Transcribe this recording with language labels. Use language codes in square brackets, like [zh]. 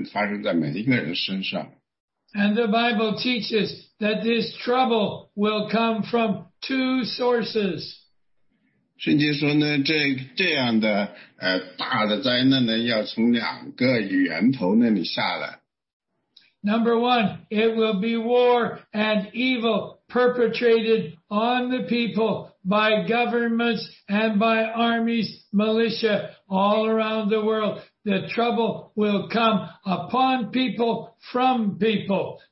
[zh] 这个呢，他们的后果呢，就是呢，这个时候他们还在世界上活着的时候，在教会被提到天上去以后，在教会走了以后，这些人呢，在地上有一场大灾难要发生，发生在每一个人身上。And [en] the Bible teaches that this trouble will come from two sources. [zh] 圣经说呢，这样的大的灾难呢，要从两个源头那里下来。 [en] Number one, it will be war and evil perpetrated on the people by governments and by armies, militia all around the world. The trouble will come upon people from people.